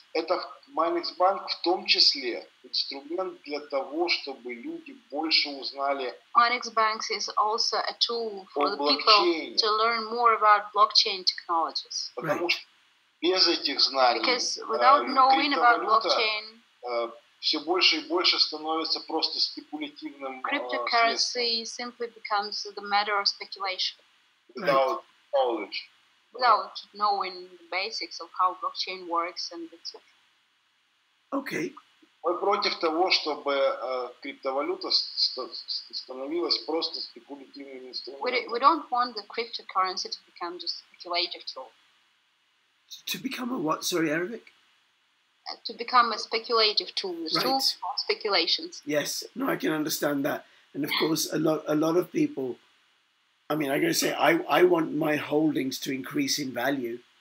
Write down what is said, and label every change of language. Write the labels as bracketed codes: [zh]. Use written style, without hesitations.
[ru] Это Minex Bank в том числе инструмент для того, чтобы люди больше узнали. [en] Minex Bank is also a tool for the people to learn more about blockchain technologies. [ru] Потому что без этих знаний, [en] because without knowing about blockchain, [ru] все больше и больше становится просто спекулятивным. [en] Cryptocurrency simply becomes the matter of speculation. Without knowledge. Without knowing the basics of how blockchain works and etc. Okay. [ru] Мы против того, чтобы криптовалюта становилась просто спекулятивным инструментом. [en] We don't want the cryptocurrency to become just a speculative tool. To become a what? Sorry, Arabic? To become a speculative tool. Right. Tool for speculations. Yes, no, I can understand that. And of course, a lot of people... I mean, I'm going to say, I want my holdings to increase in value.